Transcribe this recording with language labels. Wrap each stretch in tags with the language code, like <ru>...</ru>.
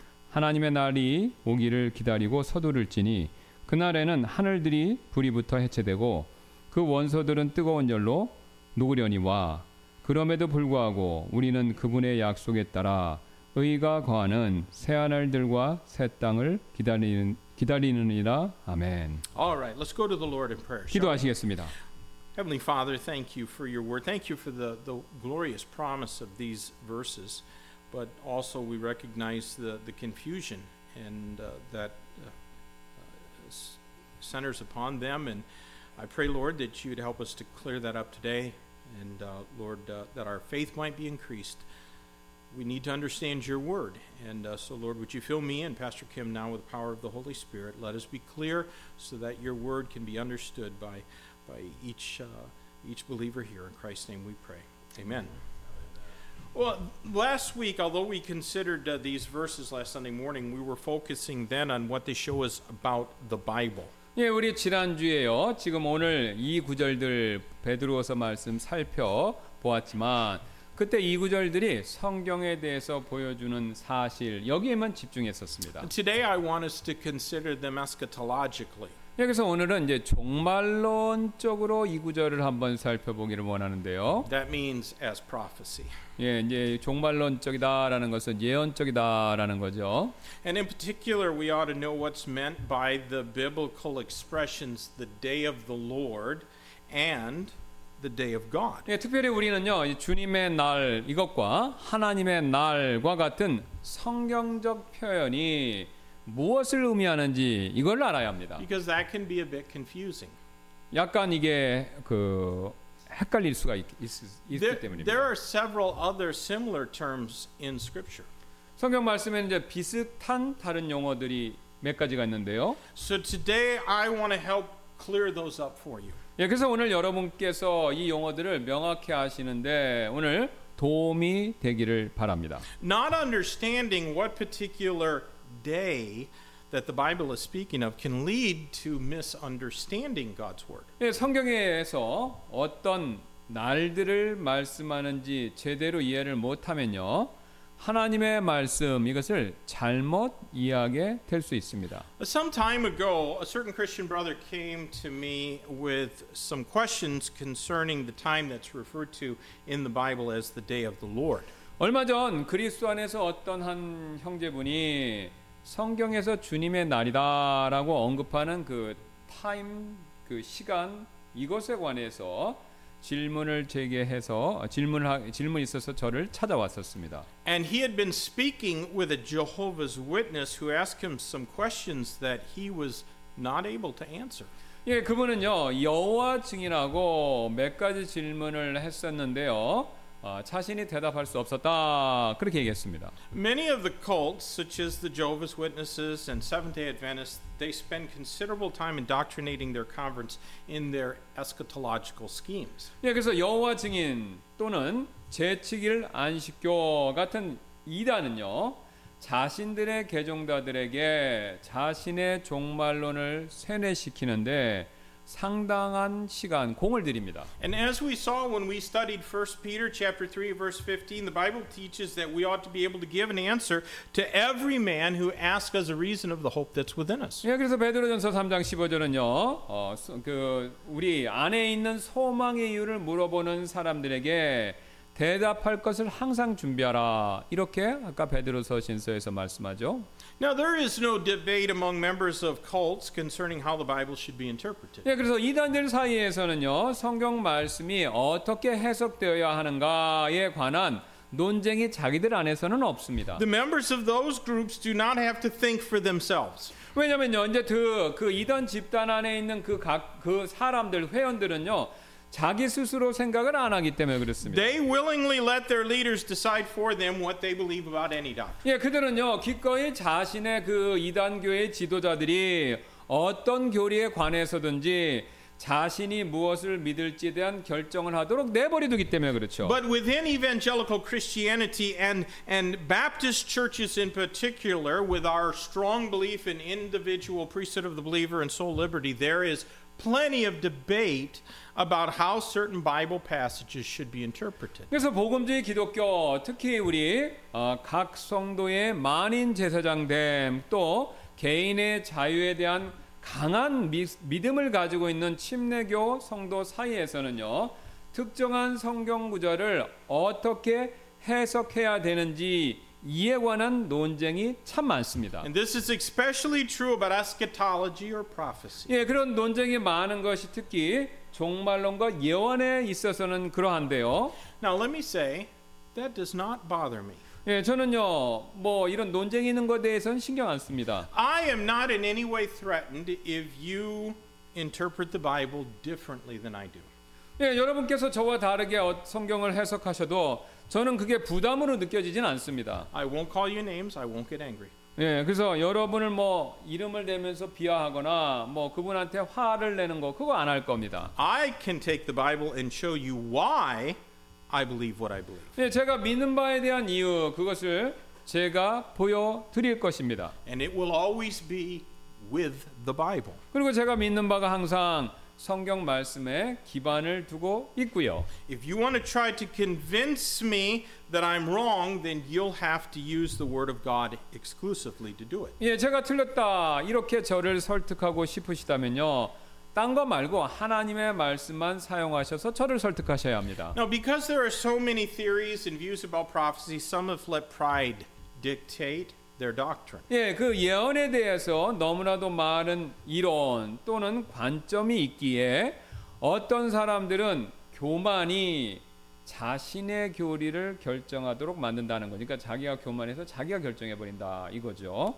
<ko>하나님의 날이 오기를 기다리고 서두를지니 그날에는 하늘들이 불이 붙어 해체되고 그 원소들은 뜨거운 열로 녹으려니와 그럼에도 불구하고 우리는 그분의 약속에 따라 의가 거하는 새하늘들과 새 땅을 기다리느니라. 아멘.</ko> <en>All right, let's go to the Lord in prayer.</en> <ko>기도하시겠습니다.</ko> <en>Heavenly Father, thank you for your word. Thank you for the glorious promise of these verses. But also we recognize the confusion and that centers upon them. And I pray, Lord, that you'd help us to clear that up today. And Lord, that our faith might be increased. We need to understand your word. And so, Lord, would you fill me and Pastor Kim now with the power of the Holy Spirit. Let us be clear so that your word can be understood by each believer here. In Christ's name we pray. Amen. Well, last week, although we considered these verses last Sunday morning, we were focusing then on what they show us about the Bible.</en> <ko>예, 우리 지난주에요. 지금 오늘 이 구절들 베드로서 말씀 살펴보았지만 그때 이 구절들이 성경에 대해서 보여주는 사실 여기에만 집중했었습니다.</ko> <en>Today I want us to consider them eschatologically.</en> <ko>여기서 오늘은 이제 종말론적으로 이 구절을 한번 살펴보기를 원하는데요.</ko> <en>That means as prophecy.</en> <ko>예, 이제 종말론적이다라는 것은 예언적이다라는 거죠.</ko> <en>And in particular, we ought to know what's meant by the biblical expressions "the day of the Lord" and "the day of God."</en> <ko>예, 특별히 우리는요, 주님의 날 이것과 하나님의 날과 같은 성경적 표현이 무엇을 의미하는지 이걸 알아야 합니다.</ko> <en>Because that can be a bit confusing.</en> <ko>약간 이게 그 헷갈릴 수가 있기 때문입니다.</ko> <en>There are several other similar terms in Scripture.</en> <ko>성경 말씀에는 이제 비슷한 다른 용어들이 몇 가지가 있는데요.</ko> <en>So today I want to help clear those up for you.</en> <ko>예, 그래서 오늘 여러분께서 이 용어들을 명확히 아시는데 오늘 도움이 되기를 바랍니다.</ko> <en>Not understanding what particular day that the Bible is speaking of can lead to misunderstanding God's word.</en> <ko>예, 성경에서 어떤 날들을 말씀하는지 제대로 이해를 못하면요, 하나님의 말씀 이것을 잘못 이해하게 될 수 있습니다.</ko> <en>Some time ago, a certain Christian brother came to me with some questions concerning the time that's referred to in the Bible as the day of the Lord.</en> <ko>얼마 전 그리스도 안에서 어떤 한 형제분이 성경에서 주님의 날이다라고 언급하는 그 타임 그 시간 이것에 관해서 질문을 제기해서 질문이 있어서 저를 찾아왔었습니다.</ko> <en>And he had been speaking with a Jehovah's Witness who asked him some questions that he was not able to answer.</en> <ko>예, 그분은요 여호와 증인하고 몇 가지 질문을 했었는데요. 자신이 대답할 수 없었다 그렇게 얘기했습니다.</ko> <en>Many of the cults, such as the Jehovah's Witnesses and Seventh-day Adventists, they spend considerable time indoctrinating their converts in their eschatological schemes.</en> <ko>예, 그래서 여호와 증인 또는 제7일 안식교 같은 이단은요, 자신들의 개종자들에게 자신의 종말론을 세뇌시키는데 상당한 시간 공을 들입니다.</ko> <en>And as we saw when we studied 1 Peter chapter 3 verse 15, the Bible teaches that we ought to be able to give an answer to every man who asks us a reason of the hope that's within us.</en> <ko>예, 그래서 베드로전서 3장 15절은요. 그 우리 안에 있는 소망의 이유를 물어보는 사람들에게 대답할 것을 항상 준비하라. 이렇게 아까 베드로서 신서에서 말씀하죠.</ko> <en>Now there is no debate among members of cults concerning how the Bible should be interpreted.</en> <ko>예, 그래서 이단들 사이에서는요. 성경 말씀이 어떻게 해석되어야 하는가에 관한 논쟁이 자기들 안에서는 없습니다.</ko> <en>The members of those groups do not have to think for themselves.</en> <ko>왜냐면요. 이제 그 이단 집단 안에 있는 그 사람들 회원들은요. 자기 스스로 생각을 안 하기 때문에 그렇습니다.</ko> <en>They willingly let their leaders decide for them what they believe about any doctrine.</en> <ko>예, 그들은요 기꺼이 자신의 그 이단교의 지도자들이 어떤 교리에 관해서든지 자신이 무엇을 믿을지 대한 결정을 하도록 내버려두기 때문에 그렇죠.</ko> <en>But within evangelical Christianity and Baptist churches in particular, with our strong belief in individual priesthood of the believer and soul liberty, there is plenty of debate about how certain Bible passages should be interpreted.</en> <ko>그래서 복음주의 기독교 특히 우리 각 성도의 만인 제사장됨 또 개인의 자유에 대한 강한 믿음을 가지고 있는 침례교 성도 사이에서는요 특정한 성경 구절을 어떻게 해석해야 되는지 이에 관한 논쟁이 참 많습니다.</ko> <en>And this is especially true about eschatology or prophecy.</en> <ko>예, 그런 논쟁이 많은 것이 특히 종말론과 예언에 있어서는 그러한데요.</ko> <en>Now let me say that does not bother me.</en> <ko>예, 저는요. 뭐 이런 논쟁이 있는 것에 대해서는 신경 안 씁니다.</ko> <en>I am not in any way threatened if you interpret the Bible differently than I do.</en> <ko>예, 여러분께서 저와 다르게 성경을 해석하셔도 저는 그게 부담으로 느껴지진 않습니다.</ko> <en>I won't call you names. I won't get angry.</en> <ko>예, 그래서 여러분을 뭐 이름을 대면서 비하하거나 뭐 그분한테 화를 내는 거 그거 안 할 겁니다.</ko> <en>I can take the Bible and show you why I believe what I believe.</en> <ko>예, 제가 믿는 바에 대한 이유 그것을 제가 보여 드릴 것입니다.</ko> <en>And it will always be with the Bible.</en> <ko>그리고 제가 믿는 바가 항상 성경 말씀에 기반을 두고 있고요.</ko> <en>If you want to try to convince me that I'm wrong, then you'll have to use the word of God exclusively to do it.</en> <ko>예, 제가 틀렸다. 이렇게 저를 설득하고 싶으시다면요. 딴 거 말고 하나님의 말씀만 사용하셔서 저를 설득하셔야 합니다.</ko> <en>Now, because there are so many theories and views about prophecy, some have let pride dictate their doctrine.</en> <ko>예, 그 예언에 대해서 너무나도 많은 이론 또는 관점이 있기에 어떤 사람들은 교만이 자신의 교리를 결정하도록 만든다는 거니까 자기가 교만해서 자기가 결정해 버린다 이거죠.</ko>